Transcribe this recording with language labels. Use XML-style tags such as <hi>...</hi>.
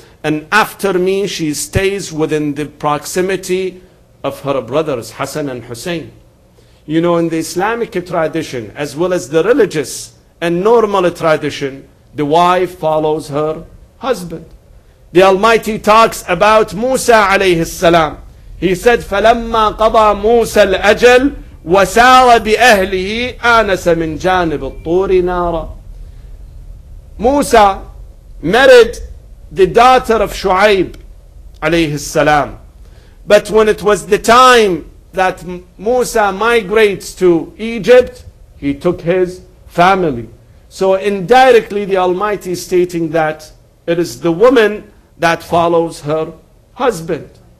<en>And after me, she stays within the proximity of her brothers, Hassan and Hussein. You know, in the Islamic tradition, as well as the religious and normal tradition, the wife follows her husband. The Almighty talks about Musa alayhi salam. He said,</en> <ar>فَلَمَّا قَضَى مُوسَى الْأَجَلِ وَسَارَ بِأَهْلِهِ آنَسَ مِنْ جَانِبِ الطُّورِ نَارًا.</ar> <en>Musa married the daughter of Shu'aib alayhi salam. But when it was the time that Musa migrates to Egypt, he took his family. So indirectly the Almighty is stating that it is the woman that follows her husband.</en>